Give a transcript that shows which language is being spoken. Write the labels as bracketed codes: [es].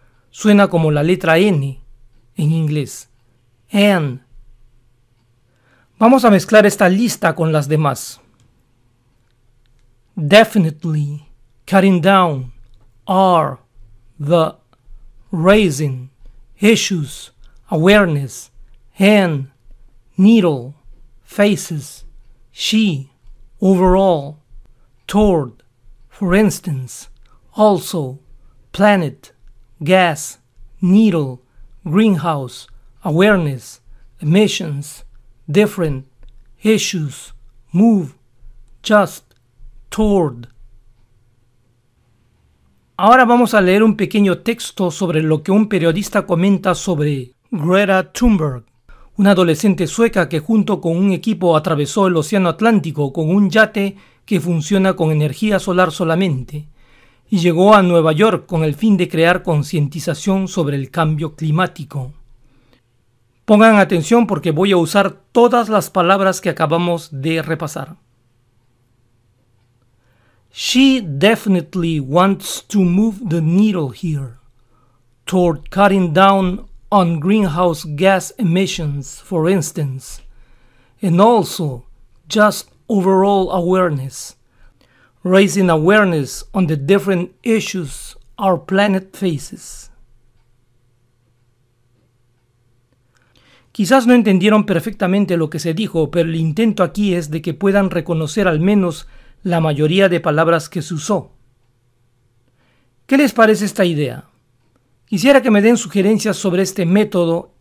[es] Suena como la letra N. En inglés, and. Vamos a mezclar esta lista con las demás. [en] Definitely, cutting down, are, the, raising, issues, awareness, and, needle, faces, she, overall, toward, for instance, also, planet, gas, needle, greenhouse, awareness, emissions, different, issues, move, just, toward. [es] Ahora vamos a leer un pequeño texto sobre lo que un periodista comenta sobre Greta Thunberg, una adolescente sueca que junto con un equipo atravesó el Océano Atlántico con un yate que funciona con energía solar solamente. Y llegó a Nueva York con el fin de crear concientización sobre el cambio climático. Pongan atención porque voy a usar todas las palabras que acabamos de repasar. [en] She definitely wants to move the needle here toward cutting down on greenhouse gas emissions, for instance, and also just overall awareness. Raising awareness on the different issues our planet faces. [es] Quizás no entendieron perfectamente lo que se dijo, pero el intento aquí es de que puedan reconocer al menos la mayoría de palabras que se usó. ¿Qué les parece esta idea? Quisiera que me den sugerencias sobre este método